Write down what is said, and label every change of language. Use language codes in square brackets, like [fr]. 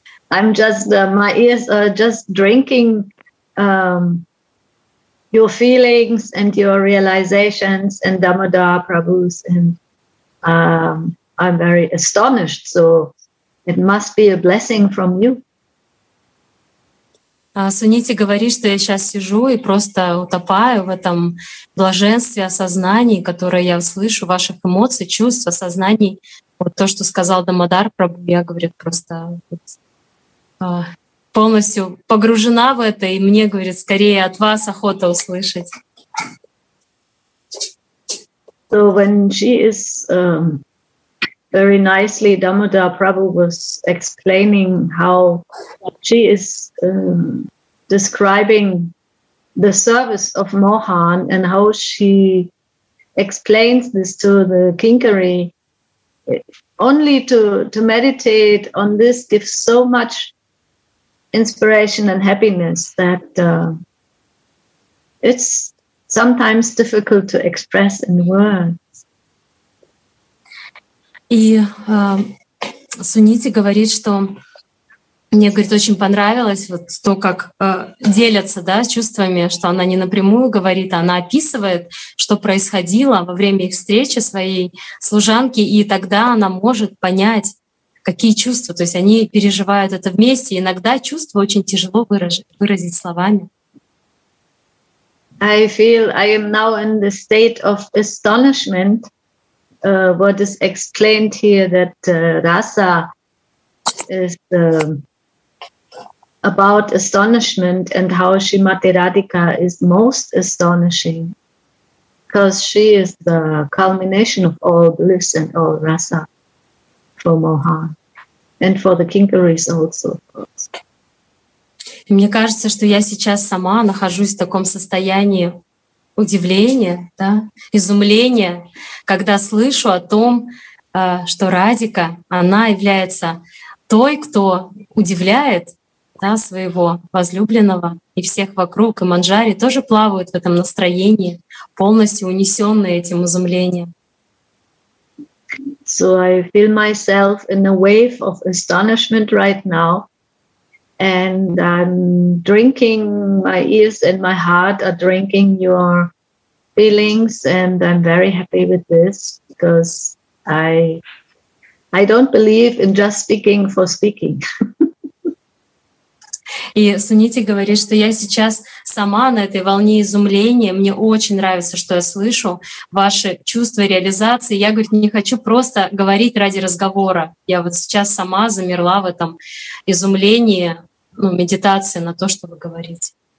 [en] I'm just, my ears are just drinking, your feelings and your realizations and Damodar Prabhu's, and I'm very astonished. So it must be a blessing from you. [ru] Суните говорит, что я сейчас сижу и просто утопаю в этом блаженстве осознаний, которое я слышу, ваших эмоций, чувств, осознаний. Вот то, что сказал Дамодар Прабху, я говорю, просто вот, полностью погружена в это, и мне, говорит, скорее от вас охота услышать. [en] So when she is very nicely, Damodar Prabhu was explaining how she is describing the service of Mohan and how she explains this to the Kinkari. Only to meditate on this gives so much inspiration and happiness that it's sometimes difficult to express in words. [ru] И Суните говорит, что мне, говорит, очень понравилось вот то, как делятся, да, чувствами, что она не напрямую говорит, а она описывает, что происходило во время их встречи своей служанки, и тогда она может понять, какие чувства, то есть они переживают это вместе. Иногда чувства очень тяжело выразить словами. [en] I feel I am now in the state of astonishment. What is explained here that rasa is about astonishment and how Shrimati Radhika is most astonishing, because she is the culmination of all bliss and all rasa for Mohan. And for the Kinkaris also, of course. [ru] Мне кажется, что я сейчас сама нахожусь в таком состоянии удивления, да, изумления, когда слышу о том, что Радика, она является той, кто удивляет, да, своего возлюбленного и всех вокруг, и Манджари тоже плавают в этом настроении, полностью унесённые этим изумлением. [en] So I feel myself in a wave of astonishment right now, and I'm drinking, my ears and my heart are drinking your feelings, and I'm very happy with this, because I don't believe in just speaking for speaking. [ru] И Суните говорит, что я сейчас сама на этой волне изумления. Мне очень нравится, что я слышу ваши чувства реализации. Я, говорит, не хочу просто говорить ради разговора. Я вот сейчас сама замерла в этом изумлении, ну, медитации на то, что вы говорите.